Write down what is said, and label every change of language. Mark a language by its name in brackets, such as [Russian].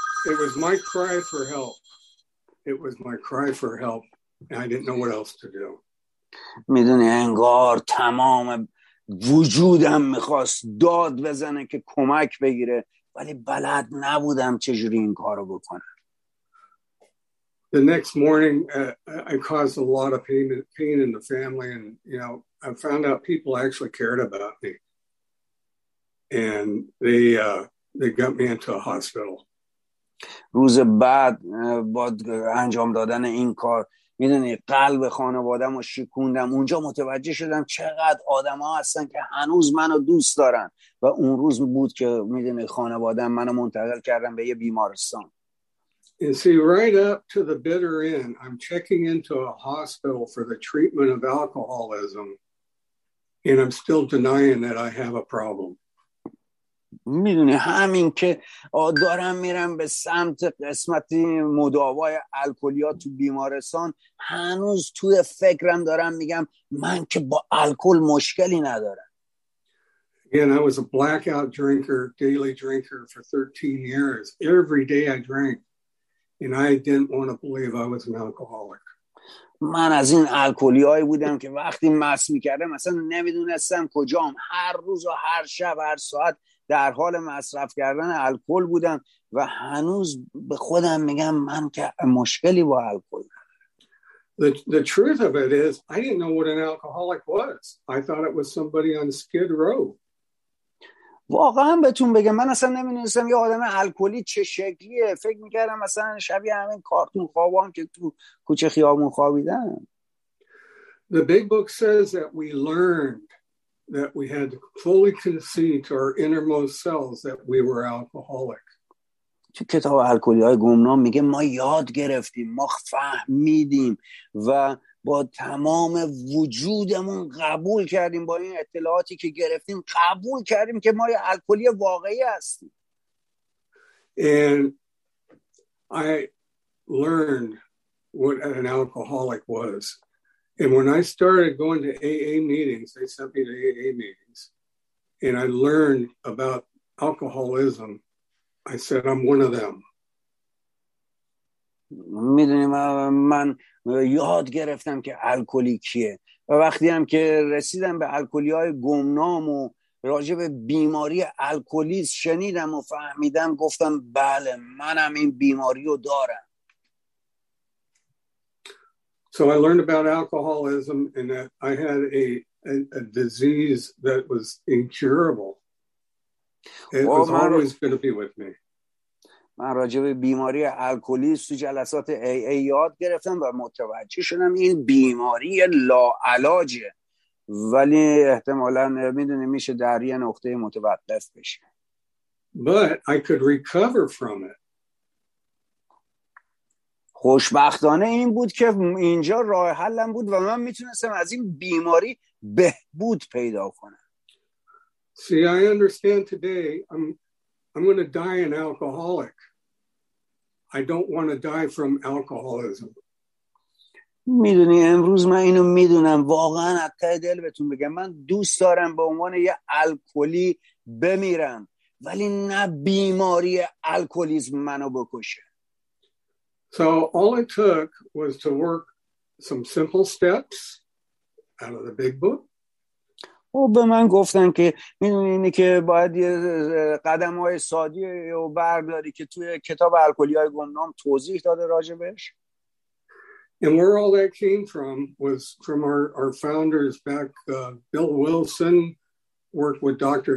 [English] It was my cry for help. It was my cry for help. I didn't know what else to do. [Persian] میدونی انگار تمام وجودم میخواست داد بزنه که کمک بگیره ولی بلد نبودم چجوری این کارو بکنم. [English] The next morning I caused a lot of pain in the family, and you know, I found out people actually cared about me, and they got me into a hospital. [Persian] روز بعد با انجام دادن این کار میدونی قلب خانوادم رو شکوندم. اونجا متوجه شدم چقدر آدم ها هستن که هنوز منو دوست دارن و اون روز بود که میدونی خانوادم منو منتقل کردن به یه بیمارستان. [English] And see, right up to the bitter end, I'm checking into a hospital for the treatment of alcoholism, and I'm still denying that I have a problem. [Persian] میدونی همین که دارم میرم به سمت قسمتی مداوای الکلیا تو بیمارستان، هنوز توی فکرم دارم میگم من که با الکل مشکلی ندارم. [English] Again, I was a blackout drinker, daily drinker for 13 years. Every day I drank, and I didn't want to believe I was an alcoholic. [Persian] من از این الکلی هایی بودم که وقتی مست میکردم اصلا نمیدونستم کجام. هر روز و هر شب هر ساعت در حال مصرف کردن الکل بودم و هنوز به خودم میگم من که مشکلی با الکل ندارم. [English] The truth of it is I didn't know what an alcoholic was. I thought it was somebody on skid row. [Persian] واقعا بهتون بگم من اصلا نمیدونستم یه آدم الکلی چه شکلیه. فکر میکردم مثلا شبیه همین کارتون خوابان که تو کوچه خیابون خوابیدن. [English] The big book says that we learned that we had fully conceded to our innermost selves that we were alcoholic. [Persian] تو کتاب الکلی‌های گمنام میگه ما یاد گرفتیم، ما فهمیدیم و با تمام وجودمون قبول کردیم، با این اطلاعاتی که گرفتیم قبول کردیم که ما یه الکلی واقعی هستیم. [English] And I learned what an alcoholic was. And when I started going to AA meetings, they sent me to AA meetings, and I learned about alcoholism, I said, I'm one of them. [Persian] میدونی من یاد گرفتم که الکلی کیه. و وقتی هم که رسیدم به الکلی‌های گمنام و راجع به بیماری الکلیسم شنیدم و فهمیدم، گفتم بله منم این بیماری رو دارم. [English] So I learned about alcoholism and that I had a disease that was incurable. It was always going to be with me. [Persian] من راجع به بیماری الکلیسم تو جلسات AA یاد گرفتم و متوجه شدم این بیماری لاعلاجه، ولی احتمالاً میدونی میشه در یه نقطه متوقف بشه. [English] But I could recover from it. [Persian] خوشبختانه این بود که اینجا راه حلم بود و من میتونستم از این بیماری بهبود پیدا کنم. [English] See, I understand today I'm going to die an alcoholic. I don't want to die from alcoholism. [Persian] میدونی امروز من اینو میدونم، واقعا از ته دل بهتون بگم من دوست دارم به عنوان یه الکلی بمیرم، ولی نه بیماری الکلیسم منو بکشه. [English] So all it took was to work some simple steps out of the big book. [Persian] او به من گفتن که میدونی اینی که باید یه قدم‌های ساده رو برداری که توی کتاب الکلی‌های گمنام توضیح داده راجبش. [English] And where all that came from was from our founders back, Bill Wilson worked with Dr.